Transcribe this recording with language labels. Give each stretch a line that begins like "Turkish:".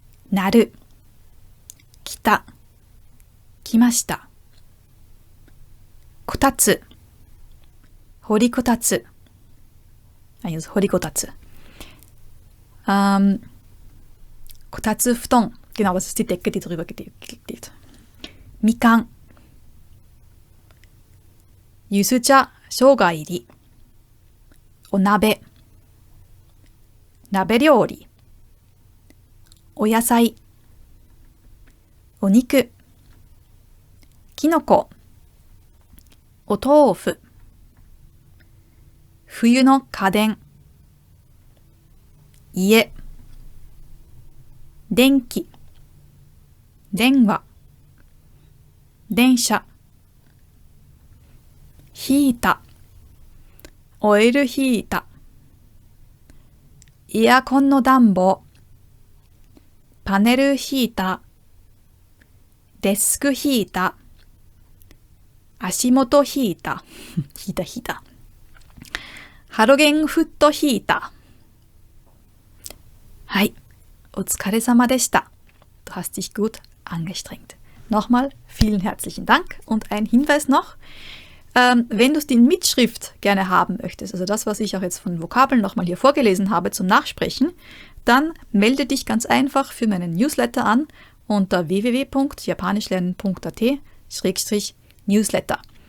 Japanese: なる、来た、来ました。こたつ、掘りこたつ。あ、よし、掘りこたつ。こたつ布団。
German: genau, was ist die Decke, die drüber gelegt ist?
Japanese: みかん、ゆず茶、生姜入り。お鍋、鍋料理。お野菜、お肉、きのこ、お豆腐、冬の家電、家、電気、電話、電車、ヒーター、オイルヒーター、エアコンの暖房、パネルヒーター、デスクヒーター、足元ヒーター、ヒーターヒーター、ハロゲンフットヒーター。はい、お疲れ様でした。
German: Du hast dich gut angestrengt. Nochmal vielen herzlichen Dank und ein Hinweis noch, wenn du es in Mitschrift gerne haben möchtest, also das, was ich auch jetzt von Vokabeln nochmal hier vorgelesen habe zum Nachsprechen, dann melde dich ganz einfach für meinen Newsletter an unter www.japanischlernen.at/newsletter.